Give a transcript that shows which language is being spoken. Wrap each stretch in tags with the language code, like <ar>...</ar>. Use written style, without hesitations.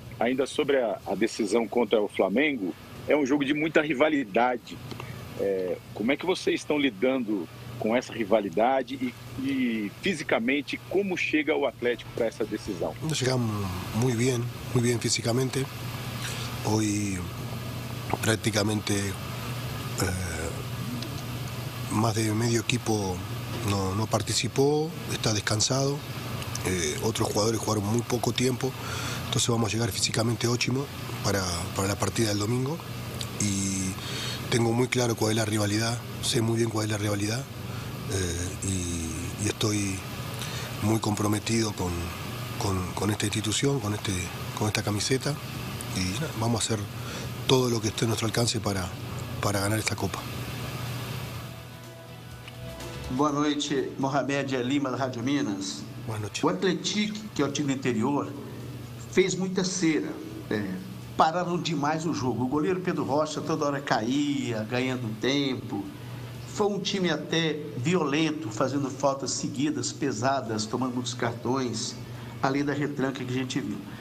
<pt>Ainda sobre a decisão contra o Flamengo, é um jogo de muita rivalidade. Como é que vocês estão lidando com essa rivalidade e fisicamente como chega o Atlético para essa decisão? Nós chegamos muito bem fisicamente. Hoje praticamente</pt> <es>más de medio equipo no participó, está descansado, otros jugadores jugaron muy poco tiempo, entonces vamos a llegar físicamente óptimo para la partida del domingo y tengo muy claro cuál es la rivalidad, sé muy bien cuál es la rivalidad, y estoy muy comprometido con esta institución, con esta camiseta y vamos a hacer todo lo que esté a nuestro alcance para ganar esta copa.</es> <pt>Boa noite, Mohamed Lima, da Rádio Minas. Boa noite. O Atlético, que é o time interior, fez muita cera. Pararam demais o jogo. O goleiro Pedro Rocha toda hora caía, ganhando tempo. Foi um time até violento, fazendo faltas seguidas, pesadas, tomando muitos cartões, além da retranca que a gente viu.</pt>